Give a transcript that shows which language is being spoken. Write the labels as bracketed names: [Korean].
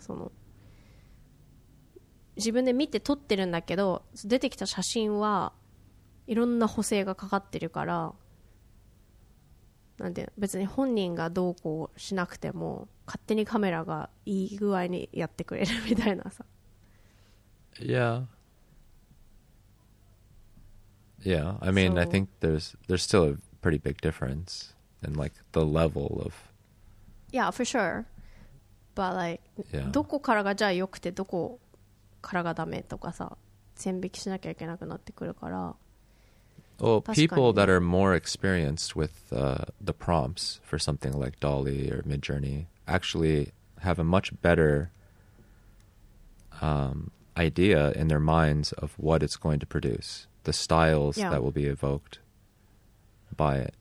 [Japanese] その自分で見て撮ってるんだけど、出てきた写真はいろんな補正がかかってるから、なんて別に本人がどうこうしなくても勝手にカメラがいい具合にやってくれるみたいなさ。 [English] Yeah. Yeah, I mean, so, I think there's still a pretty big difference in like the level of. Yeah, for sure. But like, yeah. [Japanese] どこからがじゃあ良くてどこからがダメとかさ、線引きしなきゃいけなくなってくるから。 [English] Well, people that are more experienced with the prompts for something like DALL-E or Midjourney actually have a much better idea in their minds of what it's going to produce, the styles that will be evoked by it.